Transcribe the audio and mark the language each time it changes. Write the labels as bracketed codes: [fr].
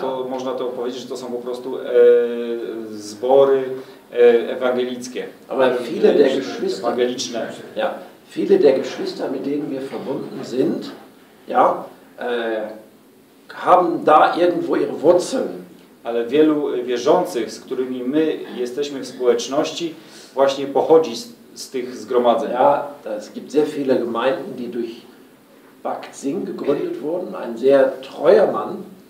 [pl] To można to powiedzieć, że to są po prostu zbory ewangelickie. [de] Aber viele der Geschwister, [pl] ewangeliczne. [de] Ja. viele der Geschwister, mit denen wir verbunden sind, ja, haben da irgendwo ihre Wurzeln. [pl] Ale wielu wierzących, z którymi my jesteśmy w społeczności, właśnie pochodzi z tych zgromadzeń. [de] Ja, es gibt sehr viele Gemeinden, die durch Bakt Singh gegründet wurden, ein sehr treuer Mann.